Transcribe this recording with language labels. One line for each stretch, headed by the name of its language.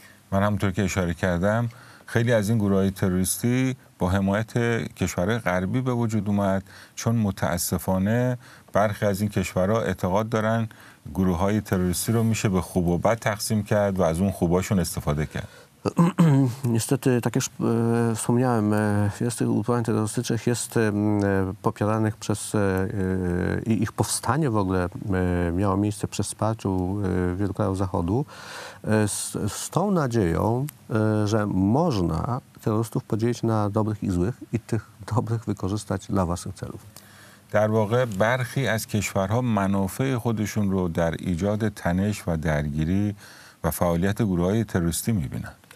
Polish: Mam tylko
Persian: اشاره کردم. خیلی از این گروه های تروریستی با حمایت کشورهای غربی به وجود اومد، چون متاسفانه برخی از این کشورها اعتقاد دارن گروه های تروریستی رو میشه به خوب و بد تقسیم کرد و از اون خوباشون استفاده کرد.
Polish: Niestety, tak jak już wspomniałem, wiele z tych ugrupowań terrorystycznych jest popieranych przez i ich powstanie w ogóle miało miejsce przez wsparcie wielu krajów Zachodu z tą nadzieją, że można terrorystów podzielić na dobrych i złych i tych dobrych wykorzystać dla własnych celów.
Persian: در واقع برخی از کشورها منافع خودشون رو در ایجاد تنش و درگیری و فعالیت گروه‌های تروریستی می‌بینن.